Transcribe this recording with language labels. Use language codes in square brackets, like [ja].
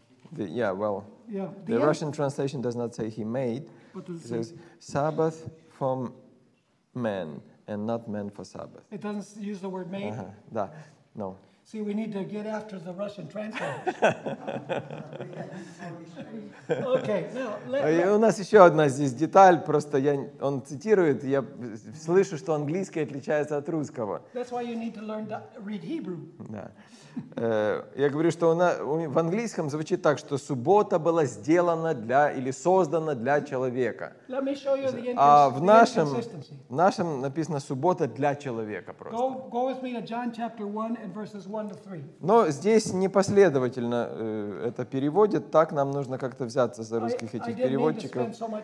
[en] The Russian translation does not say he made. It says Sabbath for man and not man for Sabbath. It doesn't use the word made? Uh-huh. [ru] Да, [en] no. See, we need to get after the Russian translators. Okay, now [ru] у нас еще одна здесь деталь. Просто он цитирует, я слышу, что английский отличается от русского. [en] That's why you need to learn to read Hebrew. [ru] Да. Я говорю, что в английском звучит так, что суббота была сделана для или создана для человека. [en] Let me show you the [ru] inconsistency. В нашем написано суббота для человека просто. [en] Go with me to John chapter 1 and verses 1 to 3. [ru] Но здесь непоследовательно это переводят, так нам нужно как-то взяться за русских этих переводчиков.